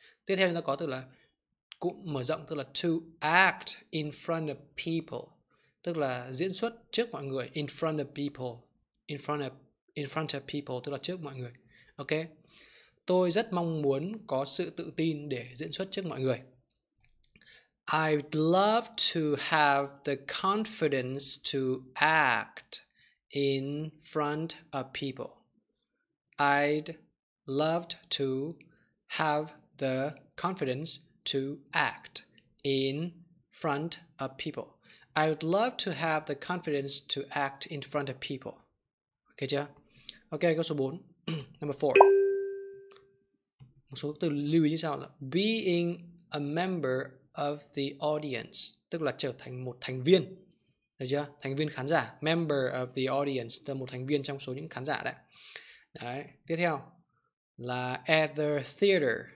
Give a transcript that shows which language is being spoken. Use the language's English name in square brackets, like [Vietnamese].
[Vietnamese] Tiếp theo chúng ta có từ là cụm mở rộng. Tức là [English] to act in front of people. [Vietnamese] Tức là diễn xuất trước mọi người, [English] in front of people, in front of people, [Vietnamese] tức là trước mọi người. Ok, tôi rất mong muốn có sự tự tin để diễn xuất trước mọi người. [English] I'd love to have the confidence to act in front of people. I'd love to have the confidence to act in front of people. I would love to have the confidence to act in front of people. [Vietnamese] Okay, chưa? Okay, câu số 4. Number 4. Một số từ lưu ý như sau là [English] being a member of the audience, [Vietnamese] tức là trở thành một thành viên. Được chưa? Thành viên khán giả, [English] member of the audience, [Vietnamese] tức là một thành viên trong số những khán giả đấy. Đấy, tiếp theo là [English] at the theater.